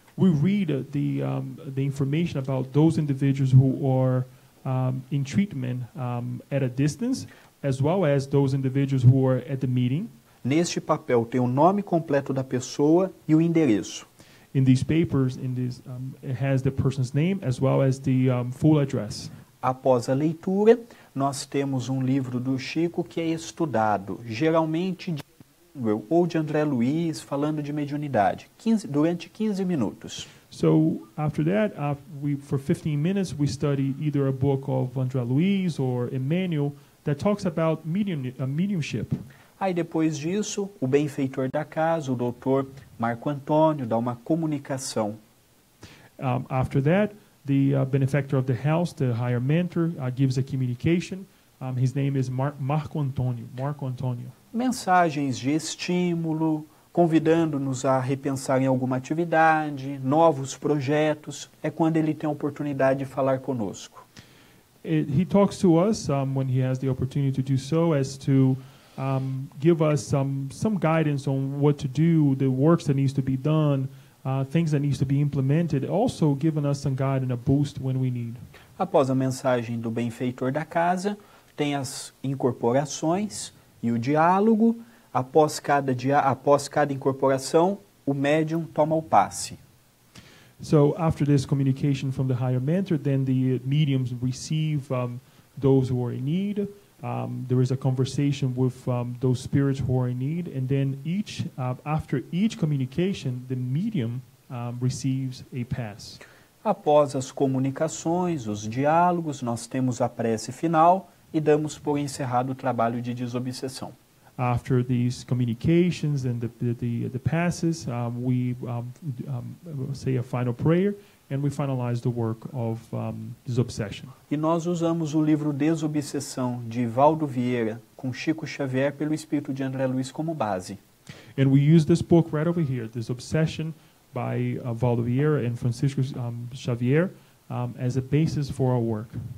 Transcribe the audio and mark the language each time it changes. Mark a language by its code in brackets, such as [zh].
[en] We read the information about those individuals who are in treatment at a distance, as well as those individuals who are at the meeting. [pt] Neste papel tem o nome completo da pessoa e o endereço. [en] In these papers, in this, it has the person's name as well as the full address. [pt] Após a leitura, nós temos um livro do Chico que é estudado, geralmente de Emmanuel ou de André Luiz, falando de mediunidade, durante 15 minutos. [en] So after that, for 15 minutes, we study either a book of André Luiz or Emmanuel that talks about mediumship. [pt] Aí depois disso, o benfeitor da casa, o doutor Marco Antônio, dá uma comunicação. [en] After that, the benefactor of the house, the higher mentor, gives a communication. His name is Marco Antônio. Marco Antônio. [pt] Mensagens de estímulo, convidando-nos a repensar em alguma atividade, novos projetos. É quando ele tem a oportunidade de falar conosco. [en] He talks to us when he has the opportunity to do so, as to give us some guidance on what to do, the works that needs to be done, things that needs to be implemented, also giving us some guidance and a boost when we need. [pt] Após a mensagem do benfeitor da casa, tem as incorporações e o diálogo. Após cada incorporação, o médium toma o passe. [en] So after this communication from the higher mentor, then the mediums receive those who are in need. There is a conversation with those spirits who are in need, and then after each communication, the medium receives a pass. [pt] Após as comunicações, os diálogos, nós temos a prece final e damos por encerrado o trabalho de desobsessão. [en] After these communications and the passes, we say a final prayer. And we finalize the work of disobsession. [pt] E nós usamos o livro Desobsessão, de Valdo Vieira, com Chico Xavier, pelo espírito de André Luiz, como base. [en] And we use this book right over here, Desobsession, by Valdo Vieira and Francisco Xavier, as a basis for our work.